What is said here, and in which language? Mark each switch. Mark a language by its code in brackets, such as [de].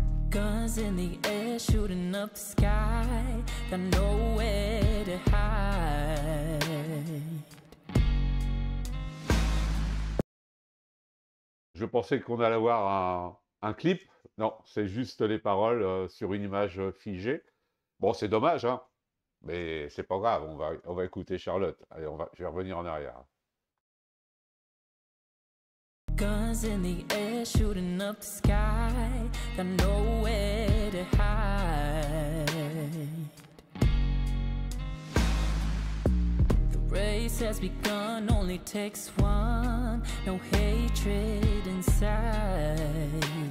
[en] Guns in the air shooting up the sky, got nowhere to hide. [fr] Je pensais qu'on allait avoir un clip. Non, c'est juste les paroles sur une image figée. Bon, c'est dommage, hein? Mais c'est pas grave, on va écouter Charlotte. Allez, je vais revenir en arrière. [en] Guns in the air shooting up the sky, got nowhere to hide. The race has begun, only takes one, no hatred inside.